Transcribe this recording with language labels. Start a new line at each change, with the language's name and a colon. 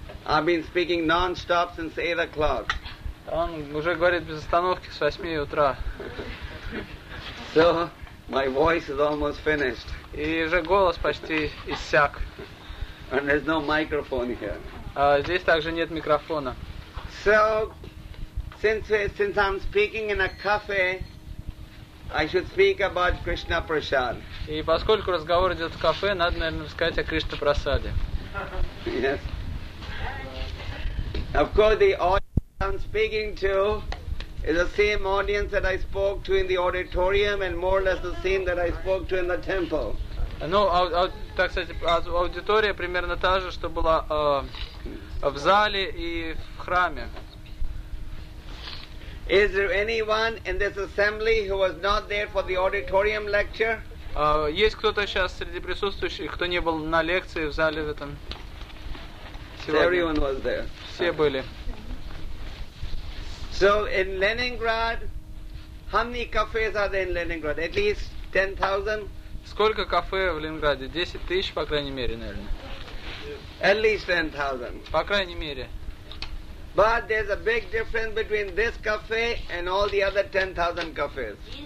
English: I've been speaking non-stop since 8 o'clock.
Russian: Он уже говорит без остановки с 8 утра.
English: So, my voice is almost finished.
Russian: И уже голос почти иссяк.
English: And there's no microphone here.
Russian: Здесь также нет микрофона.
English: So, since I'm speaking in a cafe, I should speak about Krishna Prasad.
Russian: И поскольку разговор идет в кафе, надо, наверное, сказать о Кришна Прасаде.
English: Yes. Of course, the audience I'm speaking to is the same audience that I spoke to in the auditorium and more or less the same that I spoke to in the temple.
Russian: Ну, так сказать, аудитория примерно та же, что была в зале и в храме.
English: Is there anyone in this assembly who was not there for the auditorium lecture?
Russian: Есть кто-то сейчас среди присутствующих, кто не был на лекции в зале в этом?
English: Everyone was there.
Russian: Все были.
English: So in Leningrad, how many cafes are there in Leningrad? At least 10,000?
Russian: Сколько кафе в Ленинграде? 10 тысяч, по крайней мере, наверное.
English: At least 10,000.
Russian: По крайней мере.
English: But there's a big difference between this cafe and all the other 10,000 cafes.